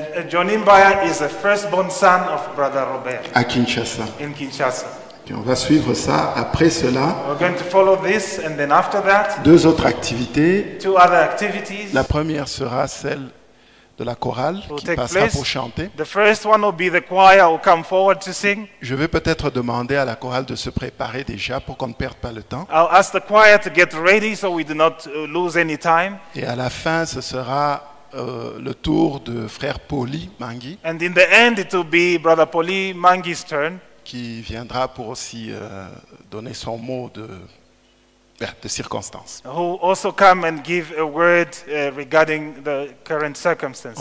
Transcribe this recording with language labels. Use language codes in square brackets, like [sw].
[en] Johnny Mbaya is the firstborn son of brother Robert. [fr] À Kinshasa. [en] In Kinshasa. [fr] Puis on va suivre ça après cela. [en] We're going to follow this and then after that. [fr] Deux autres activités. [en] Two other activities. [fr] La première sera celle de la chorale qui passera place. Pour chanter. [en] The first one will be the choir who come forward to sing. [fr] Je vais peut-être demander à la chorale de se préparer déjà pour qu'on ne perde pas le temps. [en] I'll ask the choir to get ready so we do not lose any time. [fr] Et à la fin, ce sera le tour de frère Poli Mangi. [en] And in the end, it will be brother Poli Mangi's turn. [fr] Qui viendra pour aussi donner son mot de circonstances. [en] Who also come and give a word regarding the current circumstances.